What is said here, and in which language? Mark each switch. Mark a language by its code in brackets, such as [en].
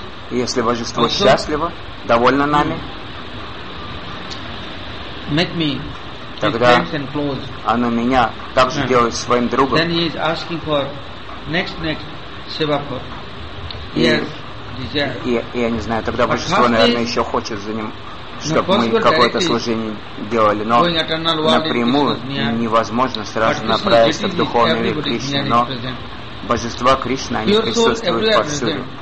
[ru] И если божество счастливо, довольно нами, тогда оно меня также делает своим другом. [en] Then he is asking for next seva for. [ru] И я не знаю, тогда божество, наверное, еще хочет за ним, чтобы мы какое-то служение делали, но напрямую невозможно сразу направиться в духовный мир Кришны, но божества Кришны, они присутствуют повсюду.